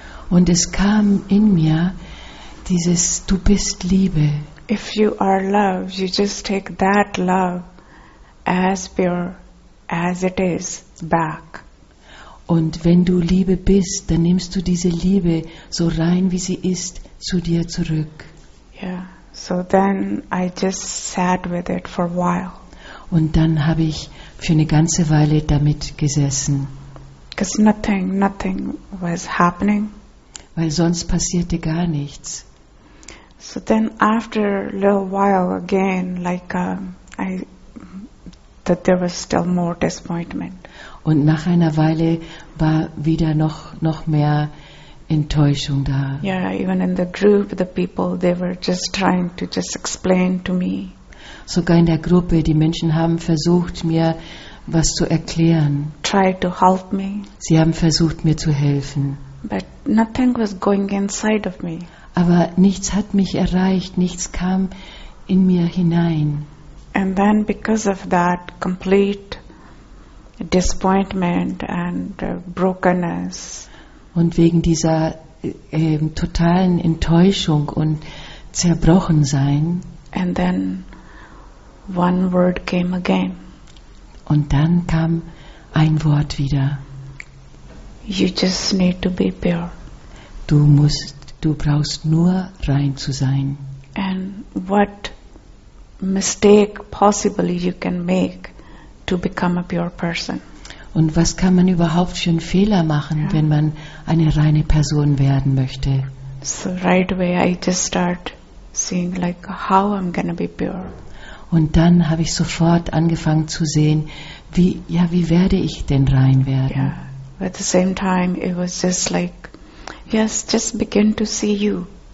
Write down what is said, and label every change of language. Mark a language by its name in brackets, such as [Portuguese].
[German] Und es kam in mir dieses du bist Liebe. [English] If you are love, you just take that love as pure as it is back. [German] Und wenn du Liebe bist, dann nimmst du diese Liebe so rein wie sie ist zu dir zurück. [English] Yeah. So then I just sat with it for a while. [German] Und dann habe ich für eine ganze Weile damit gesessen. [English] Because nothing was happening. [German] Weil sonst passierte gar nichts. [English] So then after a little while again, that there was still more disappointment. [German] Und nach einer Weile war wieder noch mehr Enttäuschung da. [English] Yeah, even in the group, the people, they were just trying to just explain to me. [German] Sogar in der Gruppe, die Menschen haben versucht, mir was zu erklären. [English] Try to help me. [German] Sie haben versucht, mir zu helfen. [English] But nothing was going inside of me. [German] Aber nichts hat mich erreicht, nichts kam in mir hinein. [English] And then because of that complete disappointment and brokenness. [German] Und wegen dieser totalen Enttäuschung und Zerbrochensein. [English] And then one word came again. [German] Und dann kam ein Wort wieder. [English] You just need to be pure. [German] Du brauchst nur rein zu sein. [English] And what mistake possibly you can make to become a pure person? [German] Und was kann man überhaupt für einen Fehler machen, wenn man eine reine Person werden möchte? [English] So right away I just start seeing like how I'm gonna be pure. [German] Und dann habe ich sofort angefangen zu sehen, wie werde ich denn rein werden? [English] Yeah. At the same time it was just like, yes, just begin to see you.